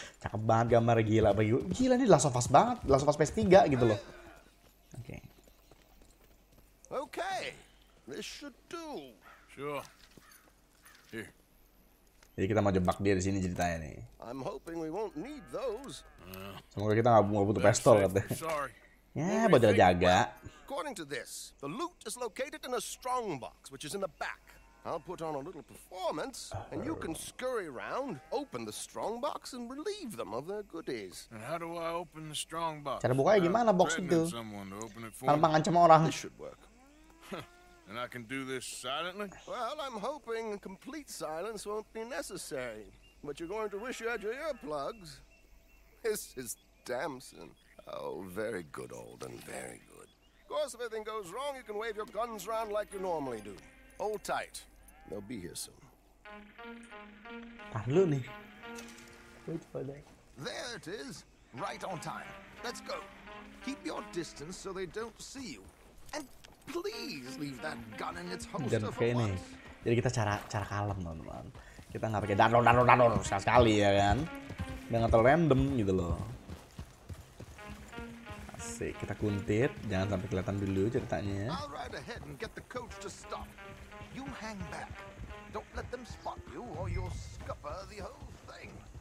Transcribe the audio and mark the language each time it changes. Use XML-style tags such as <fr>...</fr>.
<id>Cakep banget gambar, gila. Bagi gue. Gila, ini The Last of Us banget. The Last of Us PS3 gitu loh. Oke.</id> <en>Okay. Okay. This should do. Sure.</en> <id>Jadi kita mau jebak dia di sini ceritanya nih.</id> <en>I'm hoping we won't need those.</en> <id>Semoga kita nggak butuh pistol katanya. Ya, buat jaga-jaga.</id> <en>According to this, the loot is located in a strong box, which is in the back. I'll put on a little performance, and you can scurry around, open the strong box, and relieve them of their goodies. And how do I open the strong box? Cara bukanya gimana box itu? Kalau mengancam orang. This should work. And I can do this silently? Well, I'm hoping complete silence won't be necessary. But you're going to wish you had your earplugs. This is Damson. Oh, very good, Alden, very good. Of course, if anything goes wrong, you can wave your guns around like you normally do. Hold tight. They'll be here soon. Ah, Looney. Wait for that. There it is. Right on time. Let's go. Keep your distance so they don't see you. And... please leave that gun in its holster for</en> <id>once. Jadi kita cara kalem teman-teman. Kita nggak pakai danor sekali ya kan. Jangan terlalu random gitu loh. Asik, kita kuntit, jangan sampai kelihatan dulu ceritanya.</id> <en>I'll ride ahead and get the coach to stop. You hang back. Don't let them spot you or you'll scupper the whole thing.</en>